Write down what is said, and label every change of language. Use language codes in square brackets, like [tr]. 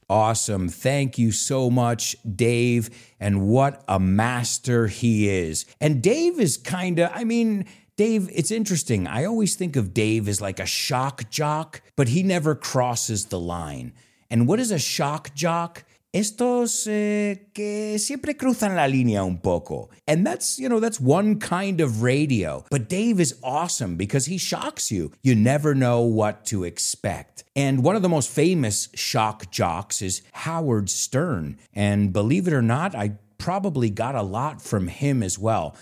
[en] Awesome. Thank you so much, Dave. And what a master he is. And Dave is kind of, Dave, it's interesting. I always think of Dave as like a shock jock, but he never crosses the line. And what is a shock jock? [es] Estos que siempre cruzan la línea un poco. [en] And that's, you know, that's one kind of radio. But Dave is awesome because he shocks you. You never know what to expect. And one of the most famous shock jocks is Howard Stern. And believe it or not, I probably got a lot from him as well.